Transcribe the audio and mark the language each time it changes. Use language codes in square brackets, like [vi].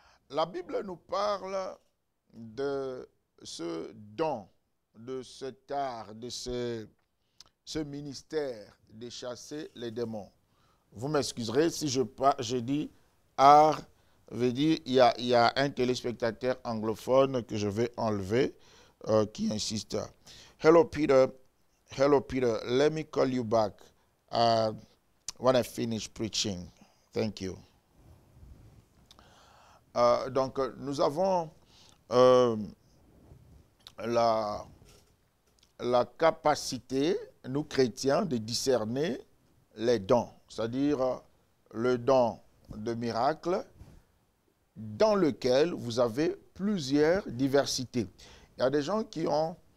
[fr] La Bible nous parle de ce don, de cet art, de ce ministère de chasser les démons. Vous m'excuserez si je dis art, veut dire il y a un téléspectateur anglophone que je vais enlever qui insiste. [en] Hello Peter, let me call you back. When I finish preaching, thank you. [fr] Donc, nous avons la capacité, nous chrétiens, de discerner les dons, c'est-à-dire le don de miracle dans lequel vous avez plusieurs diversités. Il y a des gens qui ont